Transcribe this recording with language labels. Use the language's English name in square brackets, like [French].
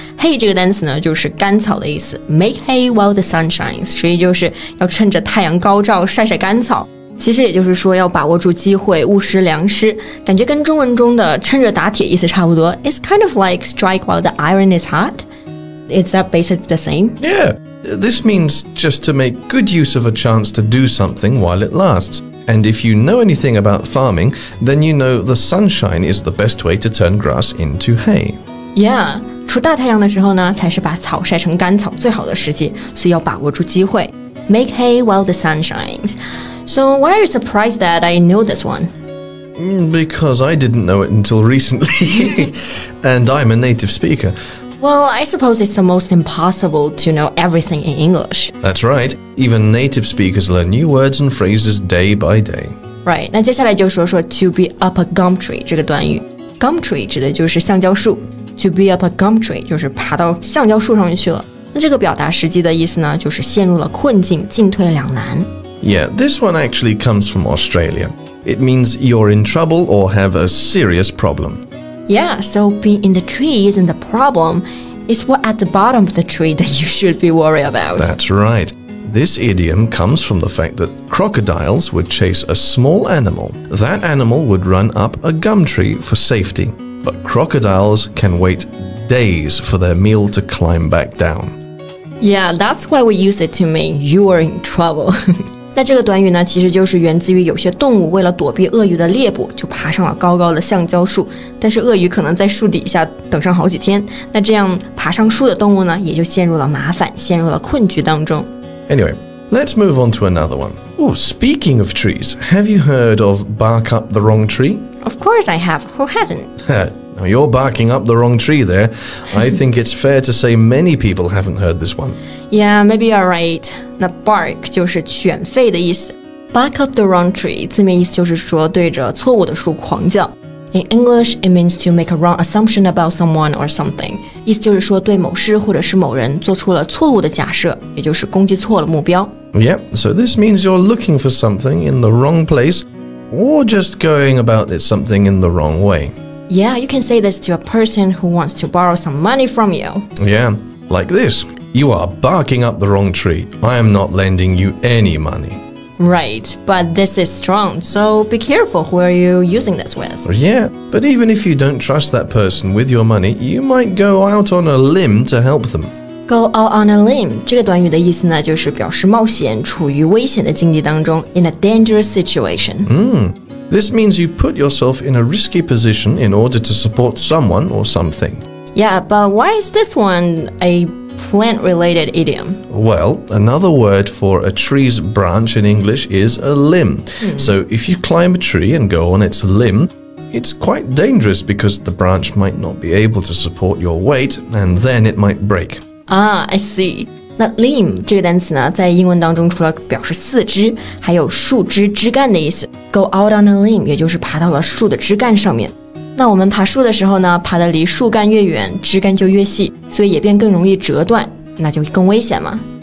[Chinese] Hay 这个单词呢就是干草的意思。 [English] Make hay while the sun shines, [Chinese] 实际就是要趁着太阳高照晒晒干草。其实也就是说要把握住机会误食良师。感觉跟中文中的趁热打铁意思差不多。 [English] It's kind of like strike while the iron is hot. Is that basically the same? Yeah, this means just to make good use of a chance to do something while it lasts. And if you know anything about farming, then you know the sunshine is the best way to turn grass into hay. [Chinese] Yeah, 出大太阳的时候呢，才是把草晒成干草最好的时机，所以要把握住机会。 [English] Make hay while the sun shines. So why are you surprised that I know this one? Because I didn't know it until recently. And I'm a native speaker. Well, I suppose it's the most impossible to know everything in English. That's right. Even native speakers learn new words and phrases day by day. Right. [Chinese] 那接下来就说说 [English] to be up a gum tree [Chinese] 这个短语。 Gum tree 指的就是橡胶树。 [English] To be up a gum tree [Chinese] 就是爬到橡胶树上去了。那这个表达实际的意思呢，就是陷入了困境，进退两难。 [English] Yeah, this one actually comes from Australia. It means you're in trouble or have a serious problem. Yeah, so being in the tree isn't the problem. It's what at the bottom of the tree that you should be worried about. That's right. This idiom comes from the fact that crocodiles would chase a small animal. That animal would run up a gum tree for safety. But crocodiles can wait days for their meal to climb back down. Yeah, that's why we use it to mean you're in trouble. [Chinese] 那这个短语呢，其实就是源自于有些动物为了躲避鳄鱼的猎捕，就爬上了高高的橡胶树。但是鳄鱼可能在树底下等上好几天，那这样爬上树的动物呢，也就陷入了麻烦，陷入了困局当中。 [English] Anyway, let's move on to another one. Oh, speaking of trees, have you heard of bark up the wrong tree? Of course I have. Who hasn't? Now you're barking up the wrong tree there. I think it's fair to say many people haven't heard this one. Yeah, maybe you're right. 那 bark [Chinese] 就是犬吠的意思。 [English] Bark up the wrong tree [Chinese] 字面意思就是说对着错误的树狂叫。 [English] In English, it means to make a wrong assumption about someone or something. [Chinese] 意思就是说对某事或者是某人做出了错误的假设，也就是攻击错了目标。 [English] Yeah, so this means you're looking for something in the wrong place or just going about it something in the wrong way. Yeah, you can say this to a person who wants to borrow some money from you. Yeah, like this. You are barking up the wrong tree. I am not lending you any money. Right, but this is strong, so be careful who are you using this with. Yeah, but even if you don't trust that person with your money, you might go out on a limb to help them. Go out on a limb, [Chinese] 这个短语的意思呢，就是表示冒险，处于危险的境地当中， [English] in a dangerous situation. This means you put yourself in a risky position in order to support someone or something. Yeah, but why is this one a... plant-related idiom. Well, another word for a tree's branch in English is a limb. So if you climb a tree and go on its limb, it's quite dangerous because the branch might not be able to support your weight and then it might break. Ah, I see. [Chinese] 那 limb 这个单词呢，在英文当中除了表示四肢，还有树枝、枝干的意思。 [English] Go out on a limb [Chinese] 也就是爬到了树的枝干上面。那我们爬树的时候呢，爬得离树干越远，枝干就越细，所以也便更容易折断，那就更危险嘛。